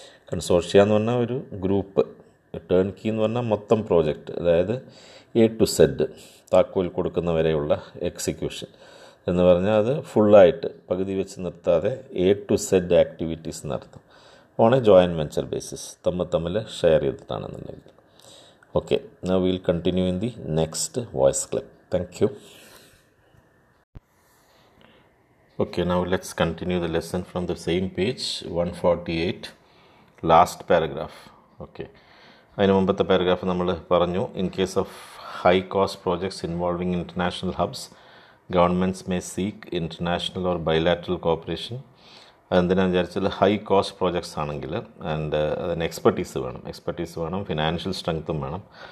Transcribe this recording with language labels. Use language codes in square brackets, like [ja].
[ml] Consortia എന്ന് പറഞ്ഞാൽ ഒരു ഗ്രൂപ്പ്, ടേൺ കീ എന്ന് പറഞ്ഞാൽ മൊത്തം പ്രോജക്റ്റ്, അതായത് എ ടു സെഡ് താക്കോൽ കൊടുക്കുന്നവരെയുള്ള എക്സിക്യൂഷൻ എന്ന് പറഞ്ഞാൽ അത് ഫുള്ളായിട്ട് പകുതി വെച്ച് നിർത്താതെ എ ടു സെഡ് ആക്ടിവിറ്റീസ് നടത്തും, [en] on a joint venture basis, [ml] തമ്മിൽ തമ്മിൽ share ചെയ്തിട്ടാണെന്നുണ്ടെങ്കിൽ. [en] Okay, now will continue in the next voice clip. Thank you. Okay, now let's continue the lesson from the same page 148, last paragraph. Okay, [ml] ഇനി മുമ്പത്തെ paragraph നമ്മൾ പറഞ്ഞു. [en] In case of high cost projects involving international hubs, governments may seek international or bilateral cooperation. [ml] അതെന്തിനാണെന്ന് വിചാരിച്ചാൽ high cost projects ആണെങ്കിൽ and അതിന് expertise വേണം, financial സ്ട്രെങ്ത്തും വേണം.